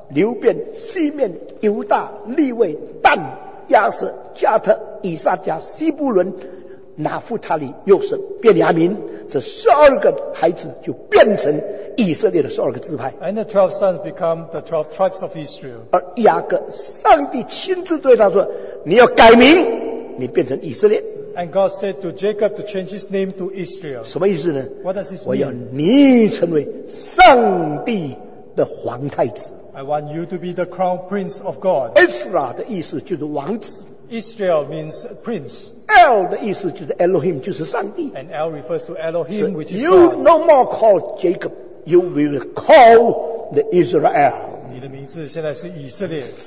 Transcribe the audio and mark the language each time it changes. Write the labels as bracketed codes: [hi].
[zh] 流便, 西面, 犹大, 利未, 但, 亚瑟, 加特, 以撒加, 西布伦, 拿弗他利, 又是, 便雅民, 这12个孩子就变成 以色列的12个支派, [en] and the 12 sons become the 12 tribes of Israel. [zh] 而雅各, 上帝亲自对他说, 你要改名, 你变成以色列, [en] and God said to Jacob to change his name to Israel. [zh] 什么意思呢? [en] What does this mean? [zh] 我要你成为上帝的皇太子, [en] I want you to be the crown prince of God. [zh] Israel的意思就是王子, [en] Israel means prince. [zh] El的意思就是Elohim, 就是上帝, [en] and El refers to Elohim, so which is you God. No more call Jacob, you will call the Israel. [zh] 你的名字现在是以色列,